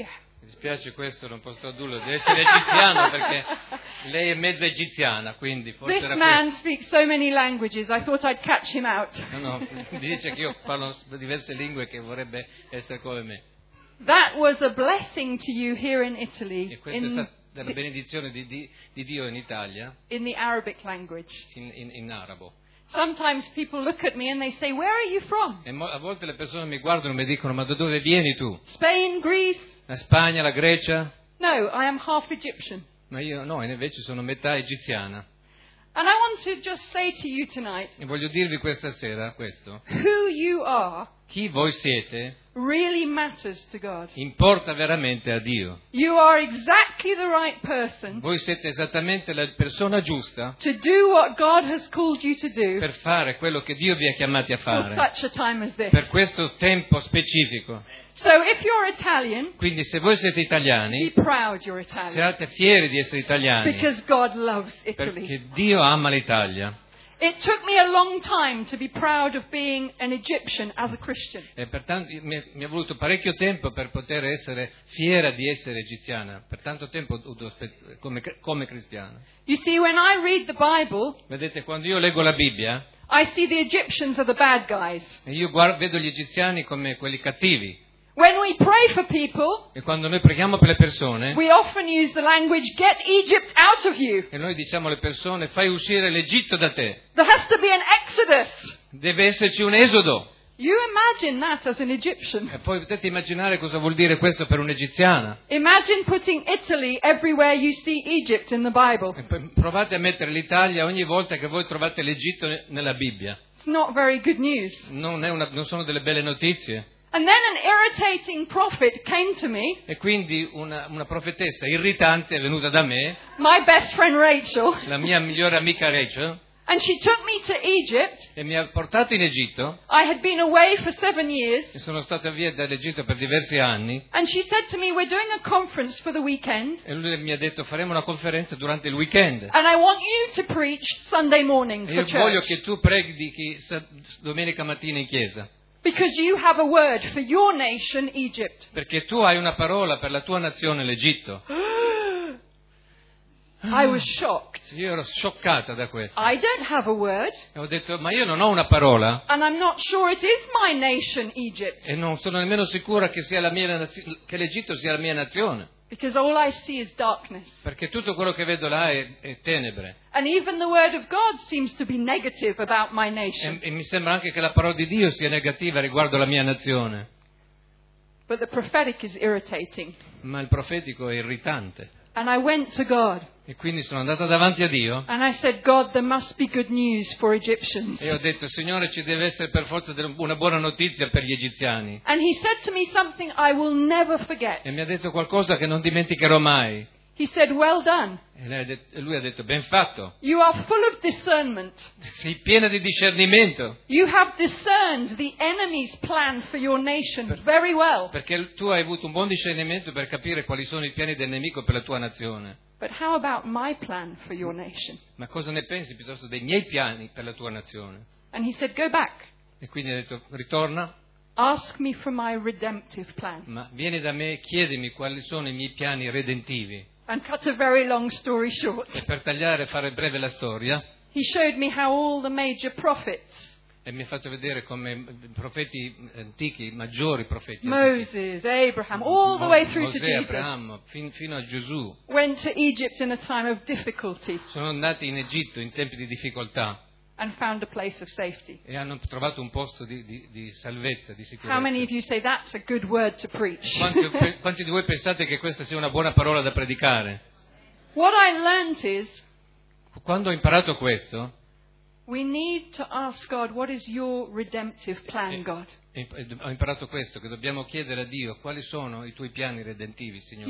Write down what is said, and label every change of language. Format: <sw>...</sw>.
<it>Mi dispiace questo, non posso tradurlo, deve essere egiziana perché lei è mezza egiziana, quindi forse</it> <en>This man speaks so many languages, I thought I'd catch him out.</en> <it>No, mi dice che io parlo diverse lingue che vorrebbe essere come me.</it> <en>That was a blessing to you here in Italy.</en> <it>E questa in è stata della benedizione di Dio in Italia.</it> <en>In the Arabic language.</en> <it>In arabo.</it> <en>Sometimes people look at me and they say, where are you from?</en> <it>E a volte le persone mi guardano e mi dicono, ma da dove vieni tu?</it> <en>Spain, Greece.</en> <it>La Spagna, la Grecia?</it> <en>No, I am half Egyptian.</en> <it>Ma io no, invece sono metà egiziana.</it> <en>And I want to just say to you tonight.</en> <it>E voglio dirvi questa sera questo.</it> <en>Who you are?</en> <it>Chi voi siete?</it> <en>Really matters to God.</en> <it>Importa veramente a Dio.</it> <en>You are exactly the right person.</en> <it>Voi siete esattamente la persona giusta.</it> <en>To do what God has called you to do.</en> <it>Per fare quello che Dio vi ha chiamati a fare.</it> <en>For such a time as this.</en> <it>Per questo tempo specifico.</it> <en>So if you're Italian,</en> <it>quindi se voi siete italiani,</it> <en>be proud you're Italian.</en> <it>Siate fieri di essere italiani.</it> <en>Because God loves Italy.</en> <it>Perché Dio ama l'Italia.</it> <en>It took me a long time to be proud of being an Egyptian as a Christian.</en> <it>E pertanto mi è voluto parecchio tempo per poter essere fiera di essere egiziana, per tanto tempo come cristiana.</it> <en>You see, when I read the Bible,</en> <it>vedete quando io leggo la Bibbia,</it> <en>I see the Egyptians are the bad guys.</en> <it>E io vedo gli egiziani come quelli cattivi.</it> <en>When we pray for people,</en> <it>e quando noi preghiamo per le persone,</it> <en>we often use the language "Get Egypt out of you."</en> <it>E noi diciamo alle persone "Fai uscire l'Egitto da te."</it> <en>There has to be an exodus.</en> <it>Deve esserci un esodo.</it> <en>You imagine that as an Egyptian.</en> <it>E poi potete immaginare cosa vuol dire questo per un'egiziana.</it> <en>Imagine putting Italy everywhere you see Egypt in the Bible.</en> <it>E provate a mettere l'Italia ogni volta che voi trovate l'Egitto nella Bibbia.</it> <en>It's not very good news.</en> <it>Non sono delle belle notizie.</it> <en>And then an irritating prophet came to me.</en> <it>E quindi una profetessa irritante è venuta da me.</it> <en>My best friend Rachel.</en> <it>La mia migliore amica Rachel.</it> <en>And she took me to Egypt.</en> <it>E mi ha portato in Egitto.</it> <en>I had been away for 7 years.</en> <it>E sono stata via dall'Egitto per diversi anni.</it> <en>And she said to me, "We're doing a conference for the weekend."</en> <it>E lui mi ha detto, "Faremo una conferenza durante il weekend."</it> <en>And I want you to preach Sunday morning for church.</en> <it>E io voglio che tu predichi domenica mattina in chiesa.</it> <en>Because you have a word for your nation, Egypt.</en> <it>Perché tu hai una parola per la tua nazione, l'Egitto.</it> <en>I was shocked.</en> <it>Io ero scioccata da questo.</it> <en>I don't have a word.</en> <it>E ho detto, ma io non ho una parola.</it> <en>And I'm not sure it is my nation, Egypt.</en> <it>E non sono nemmeno sicura che sia la mia nazione, che l'Egitto sia la mia nazione.</it> <en>Because all I see is darkness.</en> <it>Perché tutto quello che vedo là è tenebre.</it> <en>And even the word of God seems to be negative about my nation.</en> <it>E mi sembra anche che la parola di Dio sia negativa riguardo la mia nazione.</it> <en>But the prophetic is irritating.</en> <it>Ma il profetico è irritante.</it> <en>And I went to God.</en> <it>E quindi sono andata davanti a Dio.</it> <en>And I said, "God, there must be good news for Egyptians."</en> <it>E ho detto, Signore, ci deve essere per forza una buona notizia per gli egiziani.</it> <en>And he said to me something I will never forget.</en> <it>E mi ha detto qualcosa che non dimenticherò mai.</it> <en>He said, "Well done."</en> <it>E lui ha detto, ben fatto.</it> <en>You are full of discernment.</en> <it>Sei pieno di discernimento.</it> <en>You have discerned the enemy's plan for your nation very well.</en> <it>Perché tu hai avuto un buon discernimento per capire quali sono i piani del nemico per la tua nazione.</it> <en>But how about my plan for your nation?</en> <it>Ma cosa ne pensi piuttosto dei miei piani per la tua nazione?</it> <en>And he said, "Go back."</en> <it>E quindi ha detto, ritorna.</it> <en>Ask me for my redemptive plan.</en> <it>Ma vieni da me, chiedimi quali sono i miei piani redentivi.</it> <en>And cut a very long story short.</en> <it>E per tagliare e fare breve la storia.</it> <en>He showed me how all the major prophets.</en> <it>E mi ha fatto vedere come profeti antichi, maggiori profeti.</it> <en>Moses, Abraham, all the way through</en> <it>Mosè,</it> <en>to Jesus.</en> <it>Abramo, fino a Gesù.</it> <en>Went to Egypt in a time of difficulty.</en> <it>Sono andati in Egitto in tempi di difficoltà.</it> <en>And found a place of safety.</en> <it>E hanno trovato un posto di salvezza, di sicurezza.</it> <en>How many of you say that's a good word to preach?</en> <it>Quanti di voi pensate che questa sia una buona parola da predicare?</it> <en>What I learned is.</en> <it>Quando ho imparato questo.</it> <en>We need to ask God, what is your redemptive plan, God?</en> <it>Ho imparato questo, che dobbiamo chiedere a Dio quali sono i tuoi piani redentivi, Signore.</it>